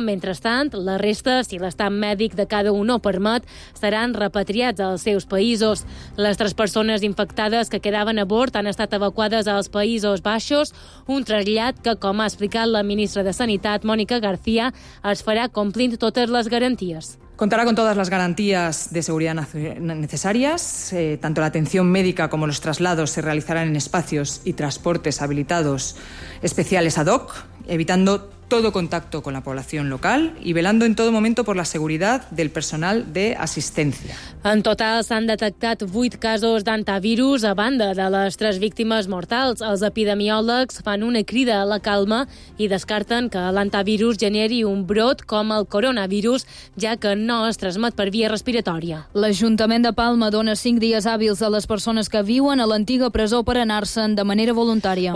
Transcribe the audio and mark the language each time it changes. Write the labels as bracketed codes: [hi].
[ca] Mentrestant, la resta, si l'estat mèdic de cada un no permet, seran repatriats als seus països. Les tres persones infectades que quedaven a bord han estat evacuades als Països Baixos, un trasllat que, com ha explicat la ministra de Sanitat, Mònica García, es farà complint totes les garanties. [es] Contará con todas las garantías de seguridad necesarias. Tanto la atención médica como los traslados se realizarán en espacios y transportes habilitados especiales ad hoc, evitando todo contacto con la población local y velando en todo momento por la seguridad del personal de asistencia. [ca] En total s'han detectat 8 casos d'antivirus a banda de les 3 víctimes mortals. Els epidemiòlegs fan una crida a la calma i descarten que l'antivirus generi un brot com el coronavirus, ja que no es transmet per via respiratòria. L'Ajuntament de Palma dona 5 dies hàbils a les persones que viuen a l'antiga presó per anar-se'n de manera voluntària.